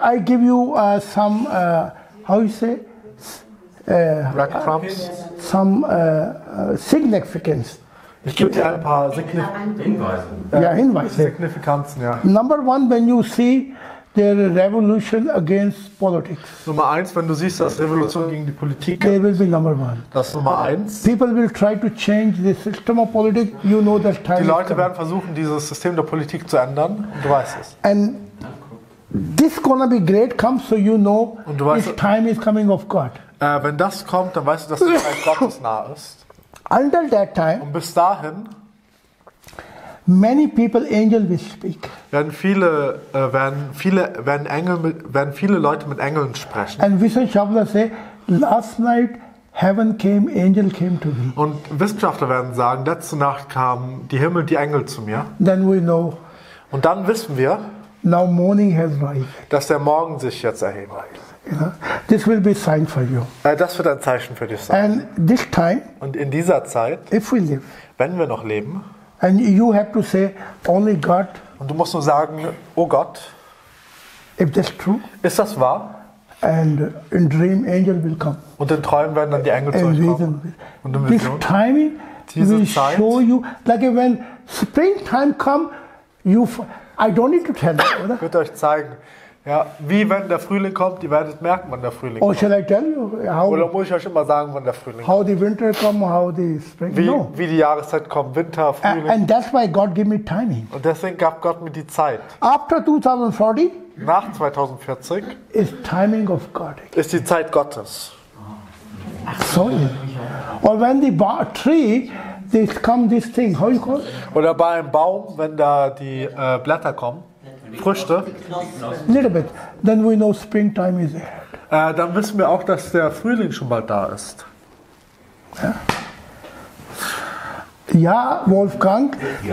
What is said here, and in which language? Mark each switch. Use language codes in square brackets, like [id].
[en] I give you some, how you say? Crumbs? Some significance. [de] Ich gebe dir ein paar Hinweise. Ja, Hinweise. Signifikanzen, ja. [en] Number one, when you see the revolution against politics. [de] Nummer eins, wenn du siehst, dass Revolution gegen die Politik. [en] They will be number one. [de] Das ist Nummer eins. [en] People will try to change the system of politics. You know that time. [de] Die Leute werden versuchen, dieses System der Politik zu ändern. Und du weißt es. [en] And this gonna be great. Come, so you know. [de] Und du weißt, [en] this time is coming of God. [de] Wenn das kommt, dann weißt du, dass die Zeit Gottes nah ist. [en] Until that time, [de] und bis dahin, [en] many people angel will speak. [de] Werden viele Leute mit Engeln sprechen. [en] And Wissenschaftler say, last night heaven came, angel came to me. [de] Und Wissenschaftler werden sagen, letzte Nacht kamen die Himmel, die Engel zu mir. [en] Then we know. [de] Und dann wissen wir, [en] now morning has risen. [de] Dass der Morgen sich jetzt erheben wird. [en] Yeah. This will be sign for you. [de] Das wird ein Zeichen für dich sein. [en] And this time, [de] und in dieser Zeit, [en] if we live, [de] wenn wir noch leben, [en] and you have to say, only God, [de] und du musst nur sagen, oh Gott, [en] if that's true, [de] ist das wahr? [en] And in dream, angel will come. [de] Und in Träumen werden dann die Engel zu euch kommen. Und in [en] Vision, this timing [de] diese [en] will [de] Zeit, [en] show you, like when springtime comes, I don't need to tell you, oder? [de] Wird euch zeigen. Ja, wie wenn der Frühling kommt, ihr werdet merken, wann der Frühling kommt. [en] Oh, shall I tell you [de] how, oder muss ich euch immer sagen, wann der Frühling [en] how kommt? How the winter come, how the spring. [de] Wie die Jahreszeit kommt, Winter, Frühling. [en] And that's why God gave me timing. [de] Und deswegen gab Gott mir die Zeit. [en] After 2040. [de] Nach 2040. [en] Is timing of God. [de] Again. Ist die Zeit Gottes. Ach so. [en] Or when the tree, this come this thing, how you call it? [de] Oder bei einem Baum, wenn da die Blätter kommen. Früchte. [en] A little bit. Then we know springtime is here. [de] Dann wissen wir auch, dass der Frühling schon bald da ist. Ja, ja Wolfgang, ja.